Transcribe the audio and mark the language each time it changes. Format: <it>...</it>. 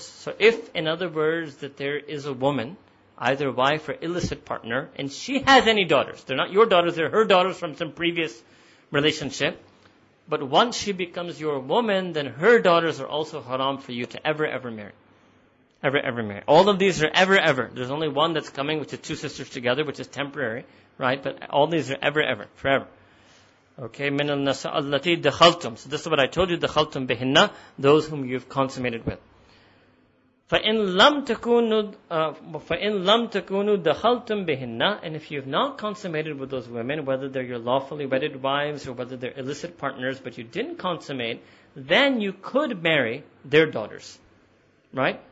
<en>So if, in other words, that there is a woman, either wife or illicit partner, and she has any daughters, they're not your daughters, they're her daughters from some previous relationship, but once she becomes your woman, then her daughters are also haram for you to ever marry. All of these are ever. There's only one that's coming, which is two sisters together, which is temporary, right? But all these are ever, forever.</en> <ar>Okay, من النساء التي دخلتم.</ar> <en>So this is what I told you,</en> <ar>دخلتم بهن,</ar> <en>those whom you've consummated with.</en> <ar>فَإِن لَمْ تَكُونُوا دَخَلْتُمْ بِهِنَّ</ar> <en>and if you've not consummated with those women, whether they're your lawfully wedded wives or whether they're illicit partners, but you didn't consummate, then you could marry their daughters. Right?</en>